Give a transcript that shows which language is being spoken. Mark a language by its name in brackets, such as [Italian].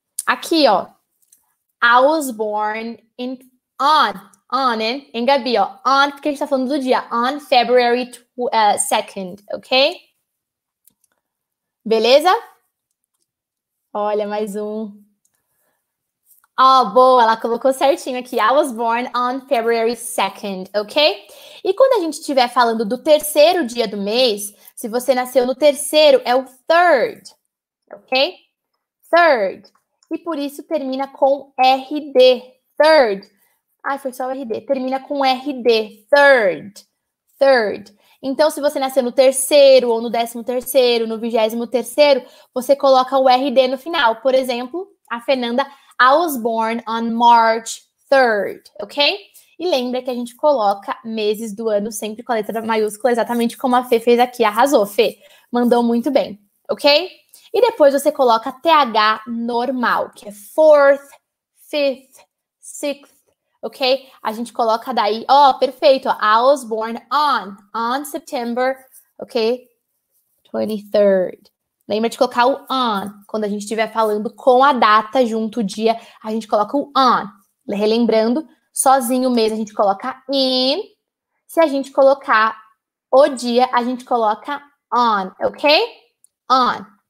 [Portuguese] Aqui, ó. [English] I was born in on, [Portuguese] hein? Em Gabi, ó. On, porque a gente tá falando do dia. [English] On February 2nd, ok? [Portuguese] Beleza? Olha, mais um. Ó, boa, ela colocou certinho aqui. [English] I was born on February 2nd, ok? [Portuguese] E quando a gente estiver falando do terceiro dia do mês, se você nasceu no terceiro, é o third, ok? Third. E por isso termina com RD, third. Ai, foi só o RD. Termina com RD, third, third. Então, se você nascer no terceiro, ou no 13º, no 23º, você coloca o RD no final. Por exemplo, [English] a Fernanda, I was born on March 3rd, ok? [Portuguese] E lembra que a gente coloca meses do ano sempre com a letra maiúscula, exatamente como a Fê fez aqui. Arrasou, Fê. Mandou muito bem, ok? E depois você coloca TH normal, que é fourth, fifth, sixth, ok? A gente coloca daí, ó, perfeito, ó, [English] I was born on September, ok? [Portuguese] 23rd. Lembra de colocar o on. Quando a gente estiver falando com a data junto o dia, a gente coloca o on. Relembrando, sozinho mesmo a gente coloca in. Se a gente colocar o dia, a gente coloca on, ok? On.